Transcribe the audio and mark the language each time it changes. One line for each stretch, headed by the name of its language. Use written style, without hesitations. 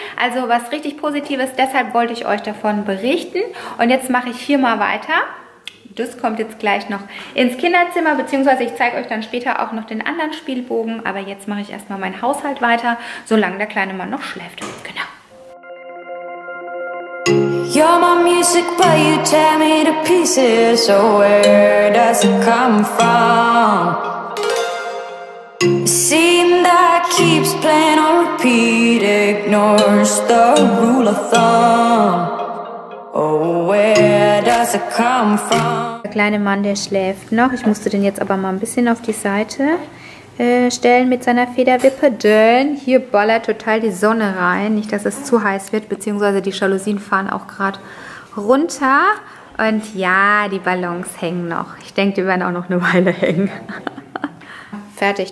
German: Also was richtig Positives, deshalb wollte ich euch davon berichten. Und jetzt mache ich hier mal weiter. Das kommt jetzt gleich noch ins Kinderzimmer, beziehungsweise ich zeige euch dann später auch noch den anderen Spielbogen. Aber jetzt mache ich erstmal meinen Haushalt weiter, solange der kleine Mann noch schläft. Genau.
English: You're my music, but you tear me to pieces. So where does it come from? A scene that keeps playing on repeat, ignores the rule of thumb. Oh, where does it come from?
German: Der kleine Mann, der schläft noch. Ich musste den jetzt aber mal ein bisschen auf die Seite stellen mit seiner Federwippe, denn hier ballert total die Sonne rein, nicht dass es zu heiß wird, beziehungsweise die Jalousien fahren auch gerade runter und ja, die Ballons hängen noch. Ich denke, die werden auch noch eine Weile hängen. fertig.